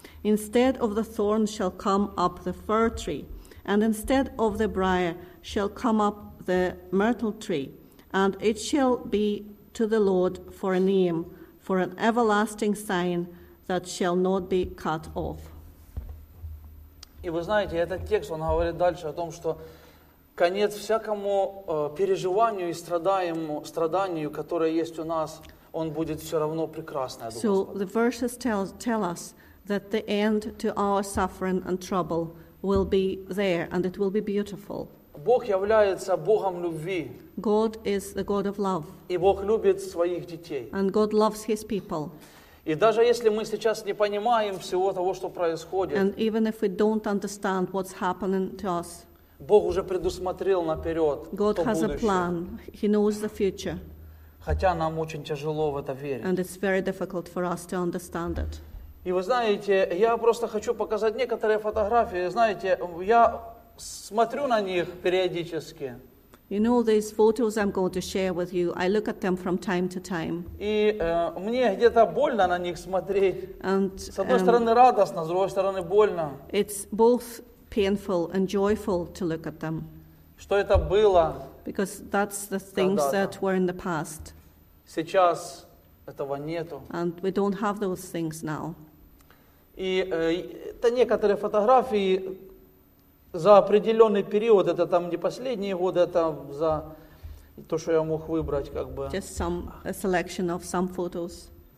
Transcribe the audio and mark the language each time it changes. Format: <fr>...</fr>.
<en>Instead of the thorn shall come up the fir tree, and instead of the briar shall come up the myrtle tree, and it shall be to the Lord for a name, for an everlasting sign that shall not be cut off.</en> <ru>И вы знаете, этот текст, он говорит дальше о том, что конец всякому переживанию и страданию, которое есть у нас, он будет все равно прекрасный.</ru> <en>So the verses tell us that the end to our suffering and trouble will be there, and it will be beautiful.</en> <ru>Бог является Богом любви.</ru> <en>God is the God of love.</en> <ru>И Бог любит своих детей.</ru> <en>And God loves his people.</en> <ru>И даже если мы сейчас не понимаем всего того, что происходит,</ru> <en>and even if we don't understand what's happening to us,</en> <ru>Бог уже предусмотрел наперед</ru> <en>God</en> <ru>то</ru> <en>has</en> <ru>будущее.</ru> <en>A plan. He knows the future.</en> <ru>Хотя нам очень тяжело в это верить.</ru> <en>And it's very difficult for us to understand it.</en> <ru>И вы знаете, я просто хочу показать некоторые фотографии. Знаете, я смотрю на них периодически.</ru> <en>You know these photos I'm going to share with you. I look at them from time to time.</en> <ru>И мне где-то больно на них смотреть. And, с одной стороны радостно, с другой стороны больно.</ru> <en>It's both painful and joyful to look at them.</en> <ru>Что это было?</ru> <en>Because that's the things</en> <ru>когда-то.</ru> <en>That were in the past.</en> <ru>Сейчас этого нету.</ru> <en>And we don't have those things now.</en> <ru>И это некоторые фотографии. За определенный период, это там не последние годы, это за то, что я мог выбрать, как бы.</ru> <en>Just some, a selection of some photos.</en>